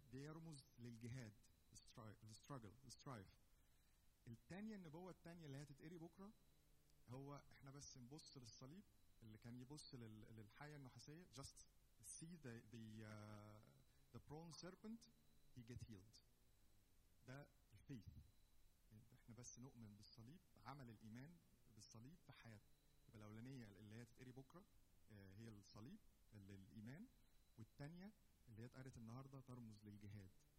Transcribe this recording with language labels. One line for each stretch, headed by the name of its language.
Arabic: ده يرمز للجهاد,
English: the struggle, the strife.
Arabic: التانية النبوة التانية اللي هتتقري بكرة هو إحنا بس نبص للصليب اللي كان يبص للحية النحاسية.
English: Just see the prone serpent, he get healed.
Arabic: ده الفيث. احنا بس نؤمن بالصليب, عمل الإيمان بالصليب في حياتنا. يبقى الأولانية اللي هي تتقري بكرة هي الصليب اللي الإيمان, والتانية اللي هي تقرت النهاردة ترمز للجهاد.